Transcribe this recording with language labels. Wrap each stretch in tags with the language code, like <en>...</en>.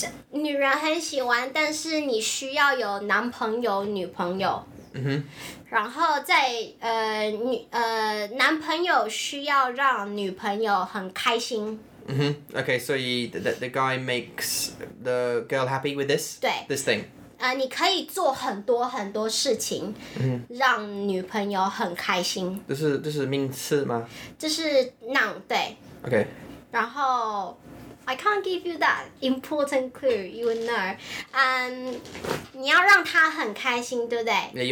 <zh>女人很喜欢，但是你需要有男朋友、女朋友。然后在男朋友需要让女朋友很开心。 Mm-hmm.</zh> <en>Okay, so the guy makes the girl happy with this?</en> <zh>对</zh> <en>This thing?</en> <zh>你可以做很多很多事情、让女朋友很开心这是名词吗？这是 noun, 对</zh> <en>Okay</en> <zh>然后</zh> <en>I can't give you that important clue, you will know</en> <zh>你要让她很开心对不对</zh>